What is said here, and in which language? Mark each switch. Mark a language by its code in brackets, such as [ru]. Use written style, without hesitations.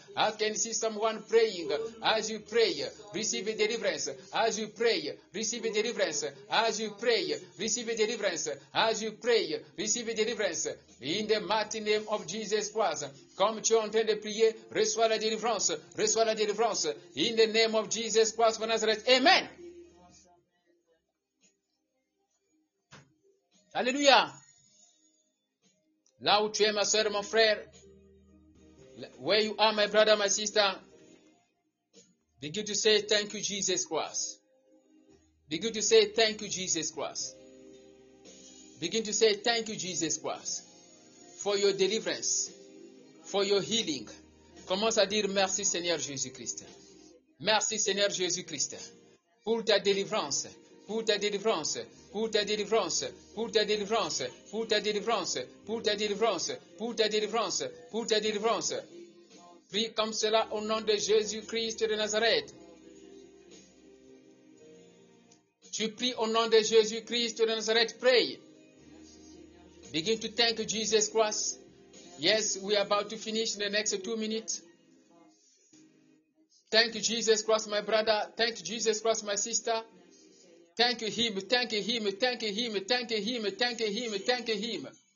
[en] I can see someone praying. As you pray, receive deliverance. As you pray, receive deliverance. As you pray, receive deliverance. As you pray, receive deliverance. In the mighty name of Jesus Christ. [fr] Comme tu es en train de prier, reçois la délivrance. Reçois la délivrance. [en] In the name of Jesus Christ of Nazareth. Amen. Alléluia. [fr] Là où tu es, ma soeur, mon frère. [en] Where you are, my brother, my sister. Begin to say thank you, Jesus Christ. Begin to say thank you, Jesus Christ. Begin to say thank you, Jesus Christ. For your deliverance. For your healing. [fr] Commence à dire merci, Seigneur Jésus-Christ. Merci, Seigneur Jésus-Christ. Pour ta délivrance. Pour ta délivrance. Pour ta délivrance, pour ta délivrance, pour ta délivrance, pour ta délivrance, pour ta délivrance, pour ta délivrance. Prie comme cela au nom de Jésus-Christ de Nazareth. Tu pries au nom de Jésus-Christ de Nazareth. [en] Pray. Begin to thank Jesus Christ. Yes, we are about to finish in the next 2 minutes. Thank Jesus Christ, my brother. Thank Jesus Christ, my sister. Thank him, thank him, thank him, thank him, thank him, thank him.